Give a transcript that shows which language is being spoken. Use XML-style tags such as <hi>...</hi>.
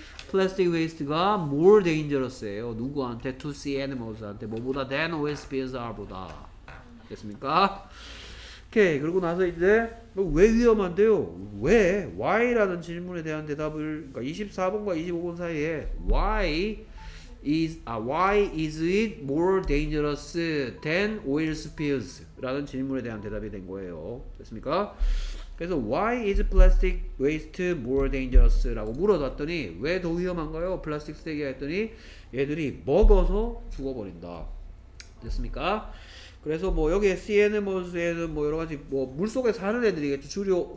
<ko>플라스틱 웨이스트가</ko> <en>more dangerous</en> <ko>예요. 누구한테?</ko> <en>To sea animals</en> <ko>한테. 뭐보다</ko> <en>than OSP's are</en> <ko>보다. 됐습니까? 오케이. 그러고 나서 이제 왜 위험한데요? 왜? Why? 라는 질문에 대한 대답을 그러니까 24번과 25번 사이에 Why?</ko> <en>Is, why is it more dangerous than oil spills?</en> <ko>라는 질문에 대한 대답이 된 거예요. 됐습니까? 그래서</ko> <en>why is plastic waste more dangerous?</en> <ko>라고 물어봤더니 왜 더 위험한가요? 플라스틱 쓰레기 했더니 얘들이 먹어서 죽어버린다. 됐습니까? 그래서 뭐 여기에</ko> <en>sea animals</en> <ko>에는 뭐 여러가지 뭐 물속에 사는 애들이겠죠.</ko>